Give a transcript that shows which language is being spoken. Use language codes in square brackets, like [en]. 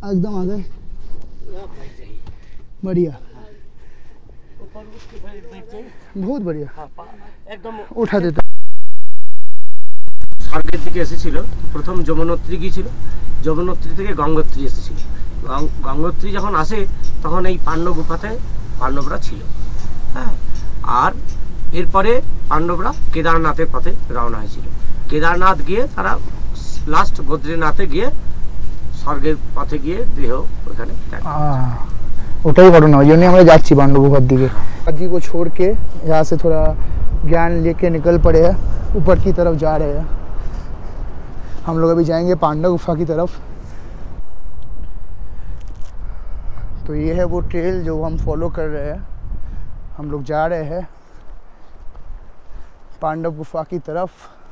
[hi] एकदम आ गए बढ़िया, बहुत बढ़िया एकदम उठा देते। [bn] স্বর্গের দিকে এসেছিল, প্রথম যমুনোত্রী গিয়েছিল, যমুনোত্রী থেকে গঙ্গোত্রী এসেছিল, গঙ্গোত্রী যখন আসে তখন এই পাণ্ডব গুফাতে পাণ্ডবরা ছিল। হ্যাঁ, আর এরপরে পাণ্ডবরা কেদারনাথের পথে রওনা হয়েছিল, কেদারনাথ গিয়ে তারা লাস্ট বদ্রীনাথে গিয়ে স্বর্গের পথে গিয়ে দেহ ওখানে, ওটাই ঘটনা, ওই জন্যই আমরা যাচ্ছি পাণ্ডব গুফার দিকে। [hi] আজকে কো ছোড় কে यहां से थोड़ा ज्ञान लेके निकल पड़े हैं, ऊपर की तरफ जा रहे हैं। हम लोग अभी जाएंगे पांडव गुफा की तरफ। तो ये है वो ट्रेल जो हम फॉलो कर रहे हैं, हम लोग जा रहे हैं पांडव गुफा की तरफ।